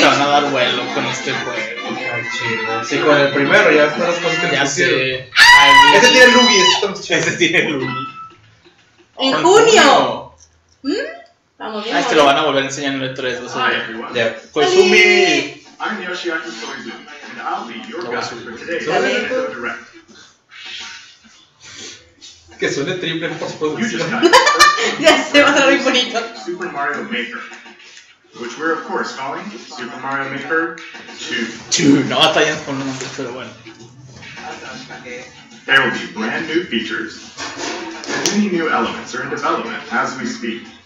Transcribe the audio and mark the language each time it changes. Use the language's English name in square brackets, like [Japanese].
[Spanish] Se van a dar vuelo con este juego. ¡Ay, chido! Sí, con el primero, ya están las cosas que ya sé. Ay, ese tiene Lugi, ese tiene Lugi. ¡En junio! ¿Mm? Ah, este lo van a volver a enseñar en el 3, va a ser. ¡Pues Sumi! [English] I'm Yoshi Akutoizu, and I'll be your guide for today's Direct. [Spanish] Que suene triple post producción. Ya se va a ser muy bonito. [English] Super Mario Maker. Which we're of course calling Super Mario Maker 2. [Spanish] 2, no batallan con un nombre, pero bueno. [English] There will be brand new features. Many new elements are in development as we speak.